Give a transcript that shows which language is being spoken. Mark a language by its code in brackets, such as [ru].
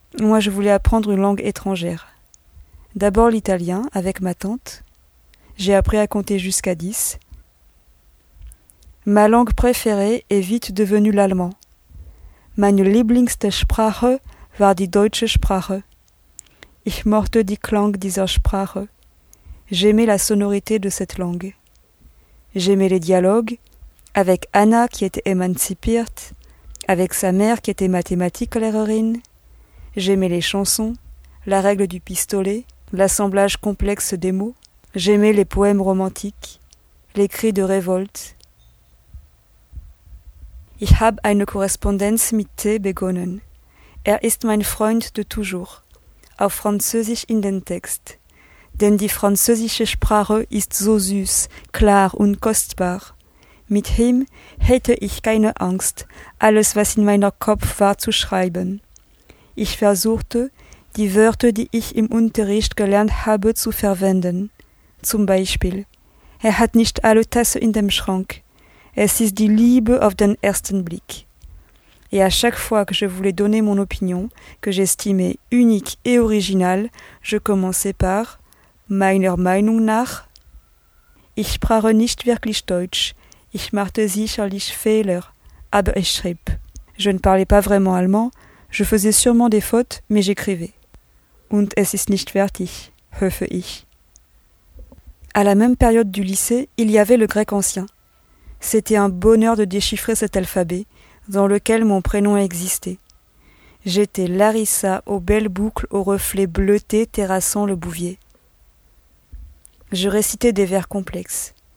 [fr] Moi, je voulais apprendre une langue étrangère. D'abord l'italien, avec ma tante. J'ai appris à compter jusqu'à 10. Ma langue préférée est vite devenue l'allemand. [de] Meine lieblingste Sprache war die deutsche Sprache. Ich mochte die Klang dieser Sprache. [fr] J'aimais la sonorité de cette langue. J'aimais les dialogues, avec Anna qui était émancipierte, avec sa mère qui était mathématiklehrerine. J'aimais les chansons, la règle du pistolet, l'assemblage complexe des mots. J'aimais les poèmes romantiques, les cris de révolte. [de] Ich habe eine Korrespondenz mit T begonnen. Ist mein Freund [fr] de toujours. [de] Auf Französisch in den Text. Denn die französische Sprache ist so süß, klar und kostbar. Mit ihm hätte ich keine Angst, alles, was in meinem Kopf war, zu schreiben. Ich versuchte, die Wörter, die ich im Unterricht gelernt habe, zu verwenden. Zum Beispiel, er hat nicht alle Tassen in dem Schrank. Es ist die Liebe auf den ersten Blick. [fr] Et à chaque fois que je voulais donner mon opinion, que j'estimais unique et originale, je commençais par... [de] Meiner Meinung nach, ich sprach nicht wirklich Deutsch, ich machte sicherlich Fehler, aber ich schrieb. [fr] Je ne parlais pas vraiment allemand, je faisais sûrement des fautes, mais j'écrivais. [de] Und es ist nicht fertig, hoffe ich. [fr] À la même période du lycée, il y avait le grec ancien. C'était un bonheur de déchiffrer cet alphabet, dans lequel mon prénom existait. J'étais Larissa, aux belles boucles, aux reflets bleutés terrassant le bouvier. Je récitais des vers complexes.